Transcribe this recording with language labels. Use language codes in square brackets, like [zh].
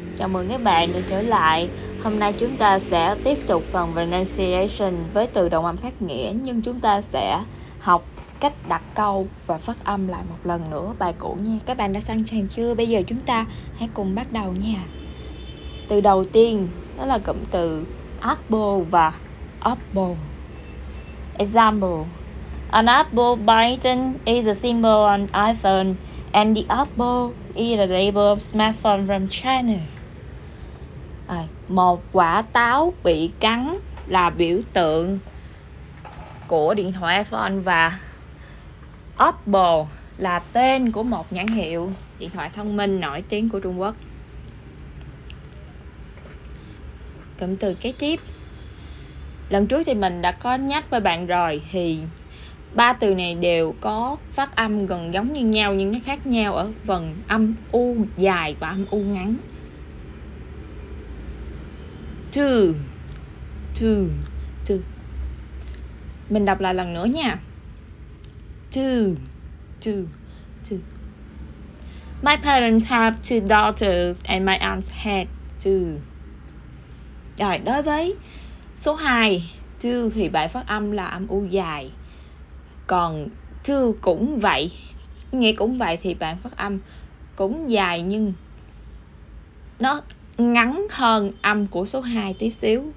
[vi] Chào mừng các bạn đã trở lại. Hôm nay chúng ta sẽ tiếp tục phần pronunciation với từ đồng âm khác nghĩa, nhưng chúng ta sẽ học cách đặt câu và phát âm lại một lần nữa bài cũ nha. Các bạn đã sẵn sàng chưa? Bây giờ chúng ta hãy cùng bắt đầu nha. Từ đầu tiên đó là cụm từ apple và apple. [en] Example: An apple button is a symbol on iPhone, and the apple is a label of smartphone from China. [vi] Một quả táo bị cắn là biểu tượng của điện thoại iPhone, và apple là tên của một nhãn hiệu điện thoại thông minh nổi tiếng của Trung Quốc. Cụm từ kế tiếp. Lần trước thì mình đã có nhắc với bạn rồi, thì ba từ này đều có phát âm gần giống như nhau, nhưng nó khác nhau ở phần âm U dài và âm U ngắn. [en] Two, two, two. [vi] Mình đọc lại lần nữa nha. [en] Two, two, two. My parents have two daughters and my aunt had two. [vi] Rồi, đối với số 2, two thì bài phát âm là âm U dài. Còn two cũng vậy, nghĩa cũng vậy thì bạn phát âm cũng dài nhưng nó ngắn hơn âm của số 2 tí xíu.